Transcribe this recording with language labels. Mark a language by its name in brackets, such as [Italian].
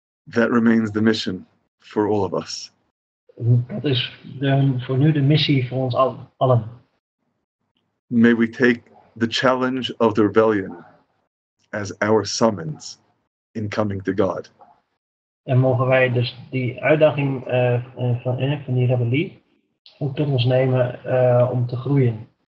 [English] That remains the mission for all of us. [Dutch] Dat is voor nu de missie voor ons allen. [English] May we take the challenge of the rebellion as our summons in coming to God. [Dutch] En mogen wij dus die uitdaging van die rebellie ook tot ons nemen om te groeien.